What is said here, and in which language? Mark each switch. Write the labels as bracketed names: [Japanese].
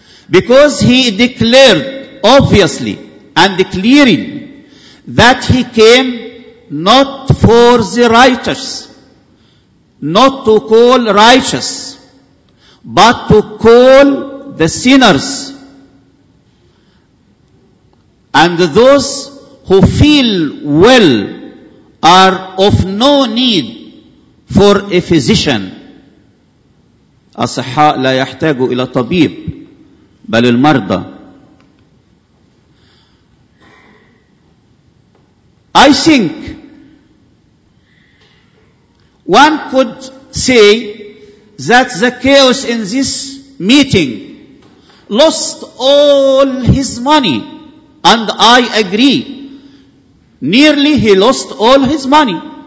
[English] Because he declared obviously and clearly that he came not for the righteous, not to call righteous, but to call the sinners and those who feel well are of no need for a physician. [Arabic] أصحاء لا يحتاجوا إلى طبيب بل المرضى. [English] I think one could say that Zacchaeus in this meeting lost all his money. And I agree. Nearly he lost all his money.